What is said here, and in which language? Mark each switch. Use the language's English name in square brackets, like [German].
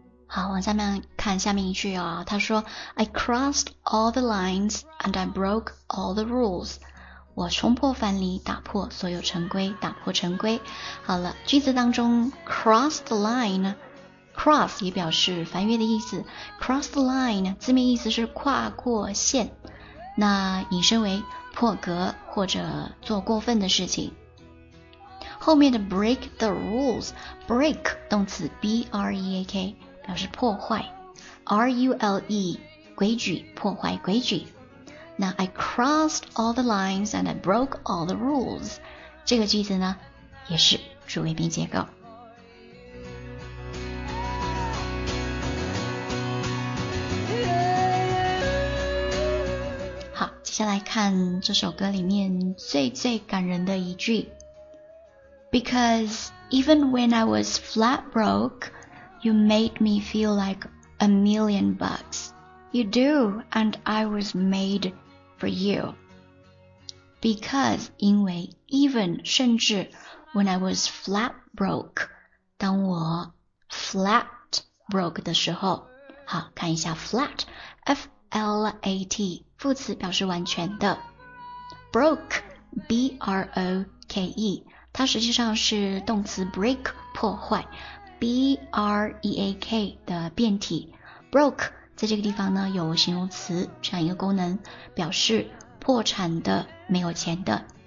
[Chinese] 好，往下面看下面一句啊，他说 [English] I crossed all the lines and I broke all the rules. [Chinese] 我冲破藩篱，打破所有陈规，打破陈规。好了，句子当中 cross the line, cross 也表示翻越的意思， cross the line 字面意思是跨过线，那引申为破格或者做过分的事情。后面的 break the rules, break 动词 B-R-E-A-K表示破坏 ,R-U-L-E, 规矩，破坏规矩。 [English] 那 I crossed all the lines and I broke all the rules, [Chinese] 这个句子呢也是主谓宾结构。好，接下来看这首歌里面最最感人的一句。 [English] Because even when I was flat broke,You made me feel like a million bucks. You do, and I was made for you. [Chinese] Because, 因为 even, 甚至 [English] when I was flat broke, [Chinese] 当我 flat broke 的时候，好，看一下 flat, F-L-A-T, 副词表示完全的。 Broke, B-R-O-K-E, 它实际上是动词 break, 破坏。 B-R-E-A-K 的变体 Broke 在这个地方呢有形容词这样一个功能，表示破产的，没有钱的。